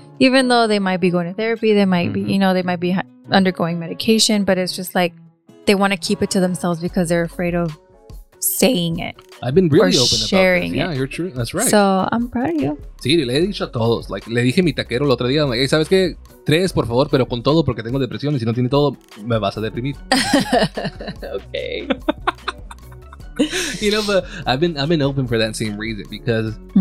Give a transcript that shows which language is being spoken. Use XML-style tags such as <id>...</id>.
<en>Even though they might be going to therapy, they might be, you know, they might be undergoing medication, but it's just like they want to keep it to themselves because they're afraid of saying it. I've been really open about sharing it. Yeah, you're true. That's right. So I'm proud of you.</en> <es>Sí, le he dicho a todos.</es> <en>Like,</en> <es>le dije a mi taquero el otro día,</es> <en>like, hey,</en> <es>¿sabes qué? 3, por favor, pero con todo, porque tengo depresión y si no tiene todo, me vas a deprimir.</es> <en>Okay. You know, but I've been open for that same reason, because</en>